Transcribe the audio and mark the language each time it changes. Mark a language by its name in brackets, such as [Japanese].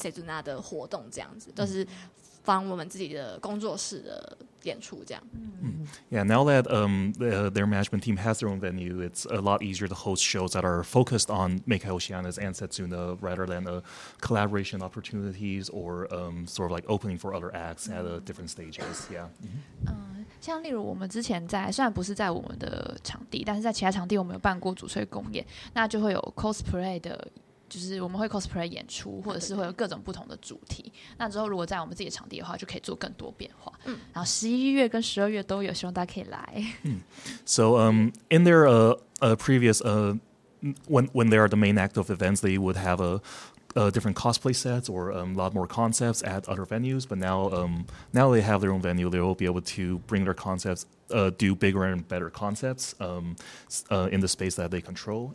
[Chinese] 有机会的话应该会举办就是比较多我们自己跟Sezuna的活动这样子, 帮我们自己的工作室的演出这样 [English] Yeah, now that their management team has their own venue, it's a lot easier to host shows that are focused on Mekhi Oceanus and Setsuna rather than collaboration opportunities or sort of like opening for other acts at different stages. Yeah. Mm-hmm. [Chinese] 像例如我们之前在虽然不是在我们的场地但是在其他场地我们有办过主催公演 那就会有cosplay的 就是我们会 cosplay 演出，或者是会有各种不同的主题。那之后如果在我们自己的场地的话，就可以做更多变化。嗯，然后十一月跟十二月都有，希望大家可以来。嗯，So [English] in their previous when they are the main act of events, they would have a different cosplay sets or a lot more concepts at other venues. But now they have their own venue, they will be able to bring their concepts. Do bigger and better concepts in the space that they control.